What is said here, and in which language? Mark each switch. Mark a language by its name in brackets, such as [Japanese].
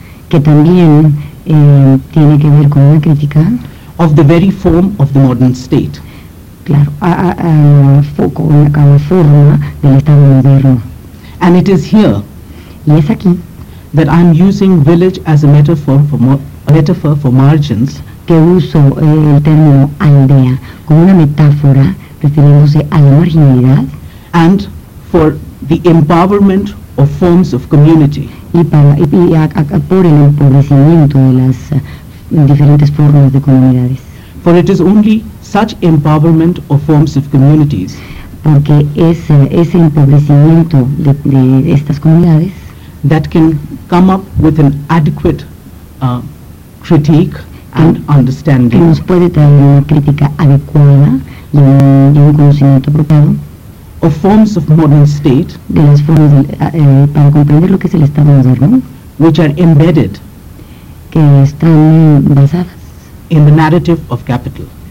[Spanish] que también tiene que ver con una crítica, [English] of the very form of the modern state, [Spanish] claro, a la forma del Estado moderno. [English] And it is here, [Spanish] y es aquí, [English] that I'm using village as a metaphor for margins, [Spanish] que uso el término aldea como una metáfora refiriéndose a la marginalidad, [English] and for the empowerment of forms of community, [Spanish] por el empobrecimiento de las diferentes formas de comunidades, [English] for it is only such empowerment of forms of communities, [Spanish] porque es ese empobrecimiento de estas comunidades, [English] that can come up with an adequate critique and understanding, [Spanish] que nos puede traer una crítica adecuada y un conocimiento apropiado, [English] of forms of modern state, [Spanish] de las formas para comprender lo que es el Estado moderno, [English] which are embedded, [Spanish] que están basadas, [English] in the narrative of capital,